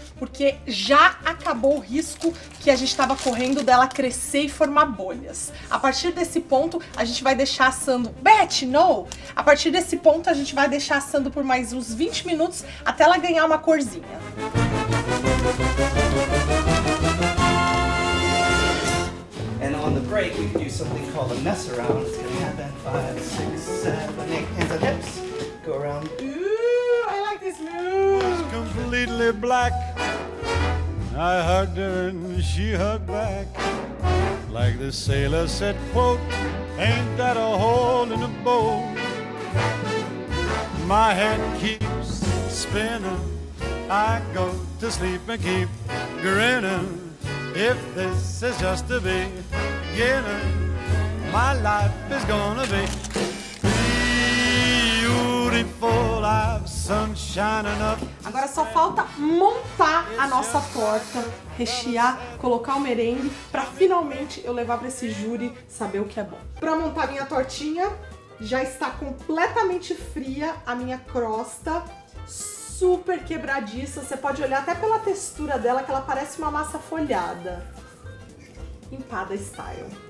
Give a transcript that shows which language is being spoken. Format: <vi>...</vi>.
<pt>Porque já acabou o risco que a gente estava correndo dela crescer e formar bolhas. A partir desse ponto, a gente vai deixar assando... Beth,</pt> <en>no!</en> <pt>A partir desse ponto, a gente vai deixar assando por mais uns 20 minutos até ela ganhar uma corzinha.</pt> <en>And on the break, we can do something called a mess around. It's gonna happen. 5, 6, 7, 8. Hands on hips. Go around. Ooh, I like this move. She was completely black. I hugged her and she hugged back. Like the sailor said, quote, ain't that a hole in a boat? My head keeps spinning. I go to sleep and keep grinning. If this is just the beginning, my life is gonna be beautiful. I've sunshine enough.</en> <pt>Agora só falta montar a nossa torta, rechear, colocar o merengue, pra finalmente eu levar pra esse júri saber o que é bom. Pra montar minha tortinha, já está completamente fria a minha crosta. Super quebradiça, você pode olhar até pela textura dela, que ela parece uma massa folhada. Empada style.</pt>